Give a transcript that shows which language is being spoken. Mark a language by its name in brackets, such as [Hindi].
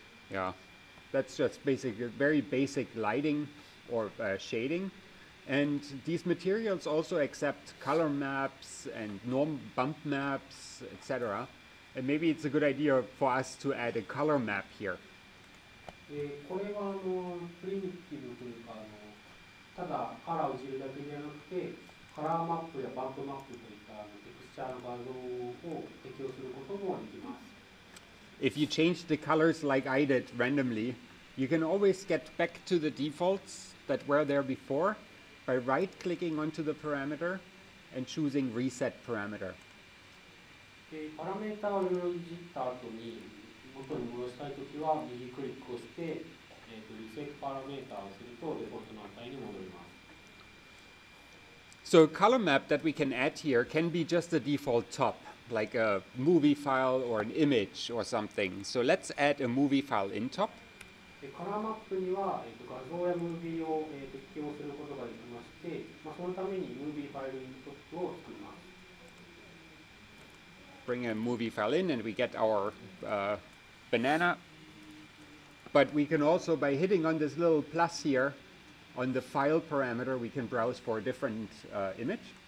[English] Yeah, that's just basic, very basic lighting or shading. And these materials also accept color maps and norm bump maps, etc. And maybe it's a good idea for us to add a color map here. [Japanese] これはプリミティブというか、ただカラーをいじるだけではなくて、カラーマップやバンプマップといったテクスチャーの画像を適用することもできます。 [English] If you change the colors like I did randomly, you can always get back to the defaults that were there before by right-clicking onto the parameter and choosing reset parameter. [Japanese] パラメータをいろいろいじった後に元に戻したいときは右クリックをして、リセットパラメータをするとデフォルトの値に戻ります。 [English] So a color map that we can add here can be just a default top, like a movie file or an image or something. So let's add a movie file in top. [Japanese] カラーマップには、画像やムービーを、適用することができまして、まあ、そのためにムービーファイルイントップを作ります。 [English] Bring a movie file in and we get our banana. But we can also, by hitting on this little plus here, on the file parameter, we can browse for a different image.